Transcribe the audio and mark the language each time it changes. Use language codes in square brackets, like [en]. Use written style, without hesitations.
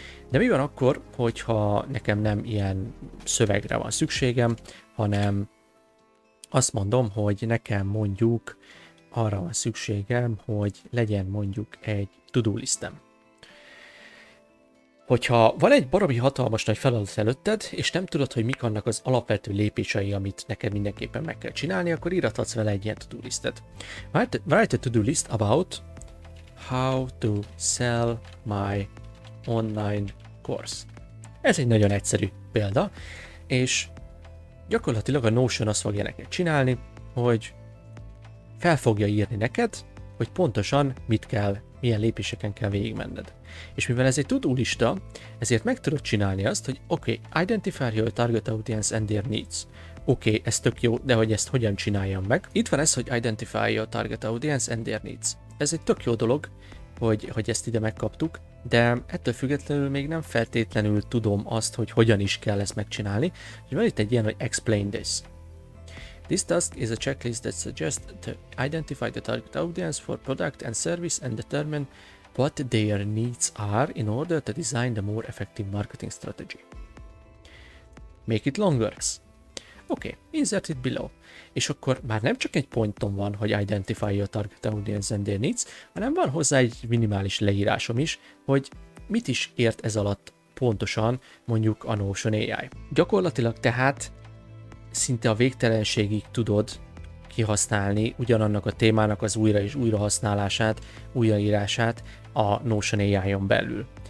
[hu] De mi van akkor, hogyha nekem nem ilyen szövegre van szükségem, hanem azt mondom, hogy nekem mondjuk arra van szükségem, hogy legyen mondjuk egy to-do listem. Hogyha van egy baromi hatalmas nagy feladat előtted, és nem tudod, hogy mik annak az alapvető lépései, amit neked mindenképpen meg kell csinálni, akkor írhatsz vele egy ilyen to-do listet. [en] Write a to-do list about how to sell my online course. [hu] Ez egy nagyon egyszerű példa, és gyakorlatilag a Notion azt fogja neked csinálni, hogy fel fogja írni neked, hogy pontosan mit kell, milyen lépéseken kell végigmenned. És mivel ez egy to-do lista, ezért meg tudod csinálni azt, hogy oké, [en] identify your target audience and their needs. [hu] Oké, ez tök jó, de hogy ezt hogyan csináljam meg? Itt van ez, hogy [en] identify your target audience and their needs. [hu] Ez egy tök jó dolog, hogy ezt ide megkaptuk, de ettől függetlenül még nem feltétlenül tudom azt, hogy hogyan is kell ezt megcsinálni. Van itt egy ilyen, hogy [en] explain this. This task is a checklist that suggests to identify the target audience for product and service and determine what their needs are in order to design the more effective marketing strategy. Make it longer. Okay, insert it below. [hu] És akkor már nem csak egy pontom van, hogy [en] identify your target audience and their needs, [hu] hanem van hozzá egy minimális leírásom is, hogy mit is ért ez alatt pontosan mondjuk a Notion AI. Gyakorlatilag tehát szinte a végtelenségig tudod kihasználni ugyanannak a témának az újra és újra használását, újraírását a Notion AI-on belül.